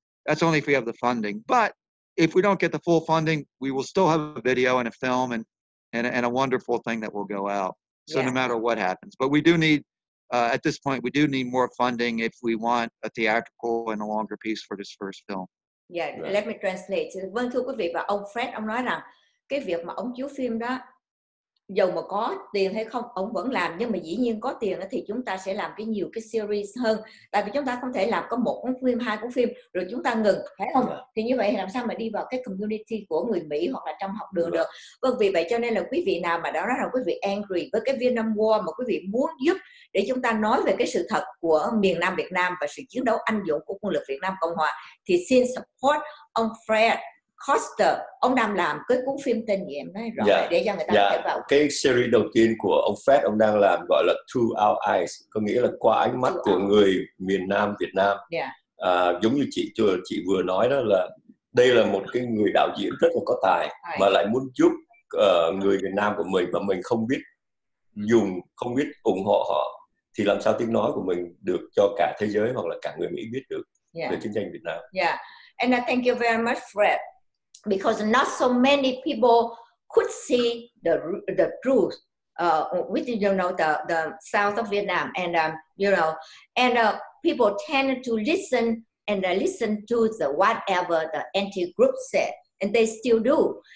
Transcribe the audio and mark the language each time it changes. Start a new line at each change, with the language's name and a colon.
English: That's only if we have the funding. But if we don't get the full funding, we will still have a video and a film and a wonderful thing that will go out. So no matter what happens. But we do need, at this point, we do need more funding if we want a theatrical and a longer piece for this first film. Yeah, right. Let me translate.
Vietnamese: Vâng, thưa quý vị, và ông Fred, ông nói rằng cái việc mà ông chiếu phim đó, dù mà có tiền hay không, ông vẫn làm. Nhưng mà dĩ nhiên có tiền thì chúng ta sẽ làm cái nhiều cái series hơn. Tại vì chúng ta không thể làm có một cuốn phim, hai cuốn phim, rồi chúng ta ngừng, phải không?
English: Right.
Vietnamese: Thì như vậy làm sao mà đi vào cái community của người Mỹ hoặc là trong học đường được? Vâng, vì vậy cho nên là quý vị nào mà đã nói là quý vị angry với cái Vietnam War mà quý vị muốn giúp để chúng ta nói về cái sự thật của miền Nam Việt Nam và sự chiến đấu anh dũng của quân lực Việt Nam Cộng Hòa, thì xin support ông Fred Koster. Ông đang làm cái cuốn phim tên gì em nói rồi, để cho người ta thể vào. Cái series đầu tiên của ông Fred, ông đang làm gọi là Through Our Eyes, có nghĩa là qua ánh mắt của người miền Nam Việt Nam. Giống như chị vừa nói đó, là đây là một cái người đạo diễn rất là có tài mà lại muốn giúp người Việt Nam của mình, mà mình không biết dùng, không biết ủng hộ họ, thì làm sao tiếng nói của mình được cho cả thế giới hoặc là cả người Mỹ biết được về chiến tranh Việt Nam.
English: Yeah, and I thank you very much, Fred. Because not so many people could see the truth with, you know, the south of Vietnam, and you know, and people tend to listen and listen to the whatever the anti group said, and they still do.